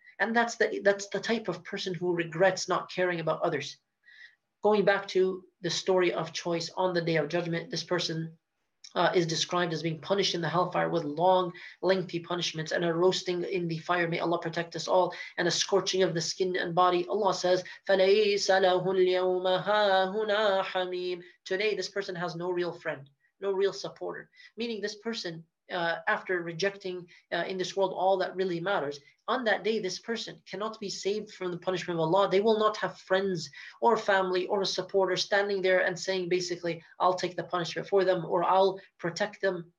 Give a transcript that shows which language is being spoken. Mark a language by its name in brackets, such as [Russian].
[English] And that's the type of person who regrets not caring about others. Going back to the story of choice on the Day of Judgment, this person is described as being punished in the hellfire with long, lengthy punishments and a roasting in the fire. May Allah protect us all. And a scorching of the skin and body. Allah says, [Arabic] فَلَيْسَ لَهُ الْيَوْمَ هَاهُنَا حَمِيمٌ. [English] Today, this person has no real friend, no real supporter. Meaning this person, after rejecting in this world all that really matters, on that day, this person cannot be saved from the punishment of Allah. They will not have friends or family or a supporter standing there and saying, basically, I'll take the punishment for them or I'll protect them.